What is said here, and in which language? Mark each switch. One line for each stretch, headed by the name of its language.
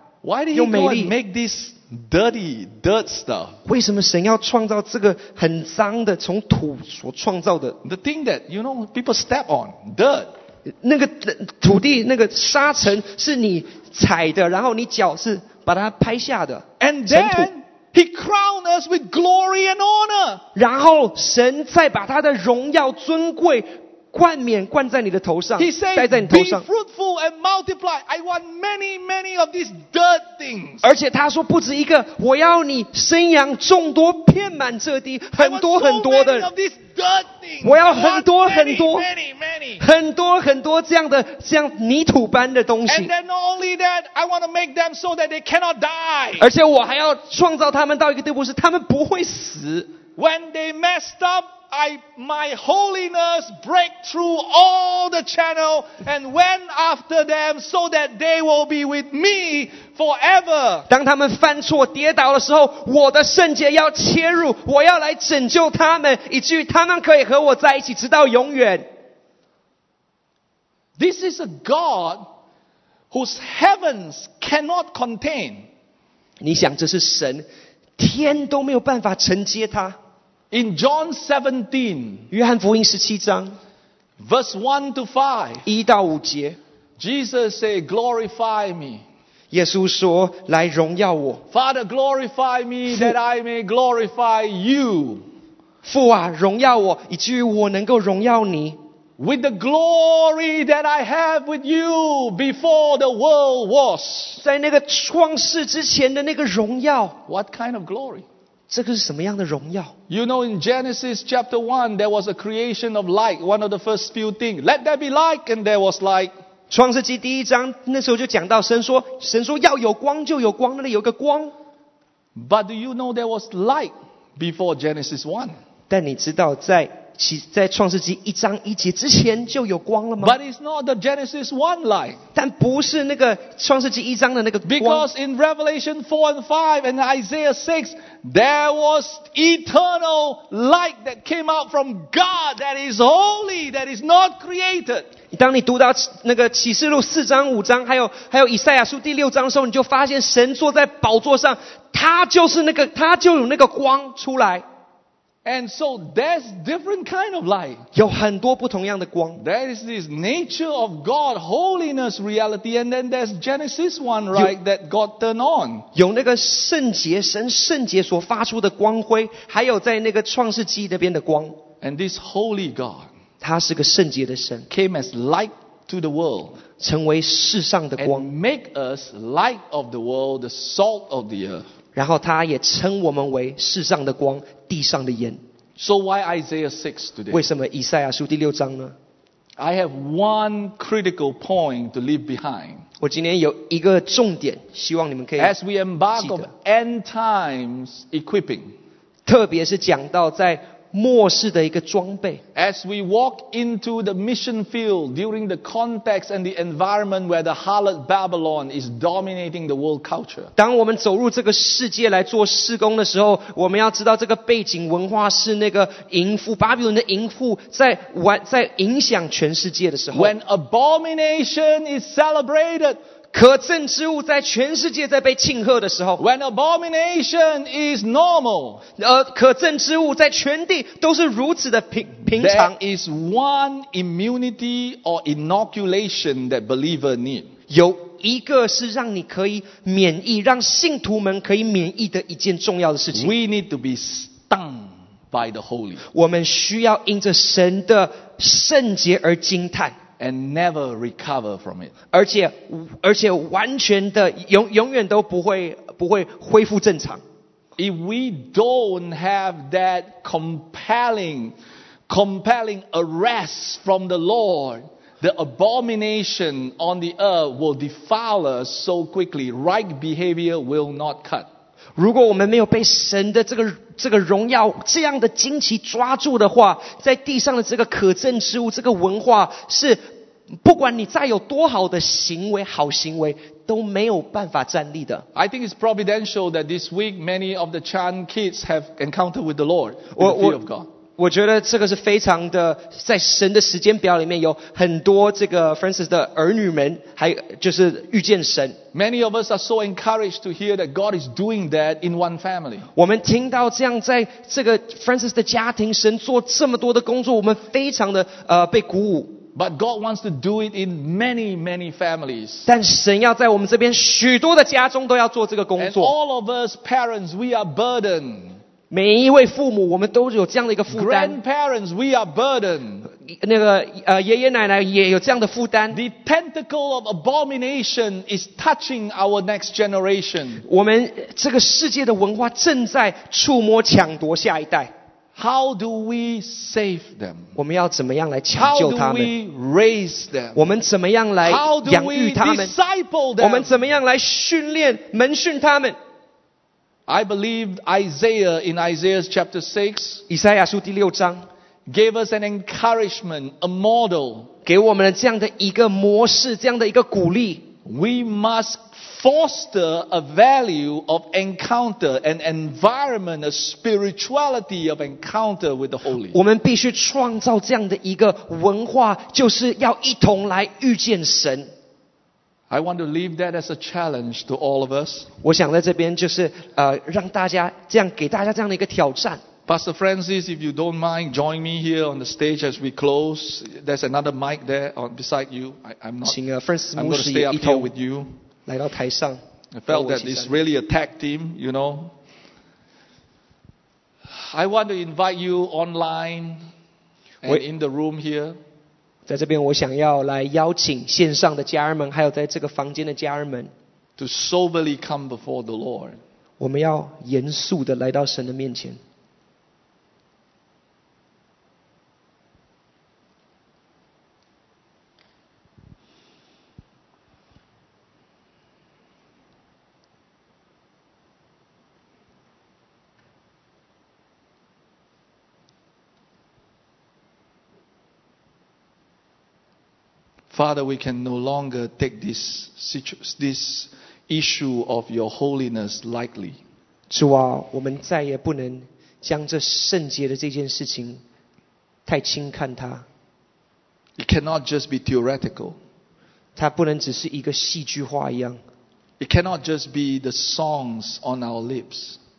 English: Why did he go and make this dirty dirt stuff?
Chinese: 为什么神要创造这个很脏的从土所创造的
English: ？The thing that you know people step on dirt.
Chinese: 那个土地那个沙尘是你踩的，然后你脚是把它拍下的。
English: And then he crowned us with glory and honor.
Chinese: 然后神再把他的荣耀尊贵。冠冕冠在你的头上，
English: He said,
Chinese: 戴在你头上。
English: Be fruitful and multiply. I want many, many of these dirt things.
Chinese: 而且他说不止一个，我要你生养众多，遍满这地，很多很多的。
English: I want so many of these dirt things.
Chinese: 我要很多很多
English: many,
Chinese: 很多很多这样的像泥土般的东西。
English: And then not only that, I want to make them so that they cannot die.
Chinese: 而且我还要创造他们到一个地步，是他们不会死。
English: When they messed up. My holiness break through all the channel and went after them so that they will be with me forever.
Chinese: 当他们犯错跌倒的时候，我的圣洁要切入，我要来拯救他们，以至于他们可以和我在一起直到永远。
English: This is a God whose heavens cannot contain.
Chinese: 你想这是神，天都没有办法承接他。
English: In John 17,
Chinese: 约翰福音十七章
English: verse 1 to 5,
Chinese: 一到五节
English: Jesus said, glorify me.
Chinese: 耶稣说来荣耀我。
English: Father, glorify me that I may glorify you.
Chinese: 父啊荣耀我以至于我能够荣耀你。
English: With the glory that I have with you before the world was.
Chinese: 在那个创世之前的那个荣耀。
English: What kind of glory?
Chinese: 这个是什么样的荣耀?
English: You know, in Genesis chapter 1, there was a creation of light, one of the first few things. Let there be light, and there was light.
Chinese: 创世纪第一章,那时候就讲到神说要有光就有光,那里有个光。
English: But do you know there was light before Genesis 1?
Chinese: 但你知道在创世纪一章一节之前就有光了吗?
English: But it's not the Genesis 1 light.
Chinese: 但不是那个创世纪一章的那个光。
English: Because in Revelation 4 and 5 and Isaiah 6, there was eternal light that came out from God that is holy, that is not created.
Chinese: 当你读到那个启示录四章五章还有以赛亚书第六章的时候你就发现神坐在宝座上他就有那个光出来。
English: And so there's different kind of light.
Chinese: 有很多不同样的光。
English: There is this nature of God, holiness, reality, and then there's Genesis 1, right, that God turned on.
Chinese: 有那个圣洁神圣洁所发出的光辉，还有在那个创世纪那边的光。
English: And this holy God,
Chinese: 他是个圣洁的神。
English: Came as light to the world.
Chinese: 成为世上的光。
English: And make us light of the world, the salt of the earth.
Chinese: 然后他也称我们为世上的光，地上的盐。
English: So why Isaiah 6 today?
Chinese: 为什么以赛亚书第六章呢？
English: I have one critical point to leave behind.
Chinese: 我今天有一个重点，希望你们可以记得。
English: As we embark on end times equipping.
Chinese: 特别是讲到在末世的一个装备。
English: As we walk into the mission field during the context and the environment where the harlot Babylon is dominating the world culture.
Chinese: 当我们走入这个世界来做事工的时候，我们要知道这个背景文化是那个淫妇巴比伦的淫妇在影响全世界的时候。
English: When abomination is celebrated.
Chinese: 可憎之物在全世界在被庆贺的时候
English: When abomination is normal,
Chinese: 可憎之物在全地都是如此的平常
English: There is one immunity or inoculation that believer need
Chinese: 有一个是让你可以免疫让信徒们可以免疫的一件重要的事情
English: We need to be stung by the holy
Chinese: 我们需要因着神的圣洁而惊叹
English: And never recover from it.
Chinese: 而且完全的永远都不会恢复正常。
English: If we don't have that compelling arrest from the Lord, the abomination on the earth will defile us so quickly. Right behavior will not cut.
Chinese: 如果我们没有被神的这个荣耀这样的旌旗抓住的话，在地上的这个可憎之物，这个文化是。不管你再有多好的行为好行为都没有办法站立的
English: I think it's providential that this week many of the Chan kids have encountered with the Lord in the fear of God
Chinese: 我觉得这个是非常的在神的时间表里面有很多这个 Francis 的儿女们还就是遇见神
English: Many of us are so encouraged to hear that God is doing that in one family
Chinese: 我们听到这样在这个 Francis 的家庭神做这么多的工作我们非常的被鼓舞
English: But God wants to do it in many, many families.
Chinese: 但神要在我们这边许多的家中都要做这个工作。
English: And all of us parents, we are burdened.
Chinese: 每一位父母，我们都有这样的一个负担。
English: Grandparents, we are burdened.
Chinese: 那个爷爷奶奶也有这样的负担。
English: The tentacle of abomination is touching our next generation.
Chinese: 我们这个世界的文化正在触摸抢夺下一代。
English: How do we save them?
Chinese: 我们要怎么样来抢救他们
English: How do we raise them?
Chinese: 我们怎么样来养育他们
English: How do we disciple them?
Chinese: 我们怎么样来训练门训他们
English: I believe Isaiah in Isaiah chapter 6
Chinese: 以赛亚书第六章
English: gave us an encouragement, a model
Chinese: 给我们了这样的一个模式这样的一个鼓励
English: We must foster a value of encounter, an environment, a spirituality of encounter with the holy.
Chinese: 我们必须创造这样的一个文化，就是要一同来遇见神。
English: I want to leave that as a challenge to all of us.
Chinese: 我想在这边就是让大家这样给大家这样的一个挑战。
English: Pastor Francis, if you don't mind, join me here on the stage as we close. There's another mic there on, beside you. I'm going to stay up here with you.
Chinese: 来到台上。
English: I felt that it's really a tag team, you know. I want to invite you online and in the room here.
Chinese: 在这边我想要来邀请线上的家人们还有在这个房间的家人们
English: to soberly come before the Lord.
Chinese: 我们要严肃地来到神的面前。
English: Father, we can no longer take this issue of your holiness lightly.
Chinese: 主啊，我们再也不能将这圣洁的这件事情太轻看它。
English: It cannot just be theoretical.
Chinese: 它不能只是一个戏剧化一样。
English: It cannot just be the songs on our lips.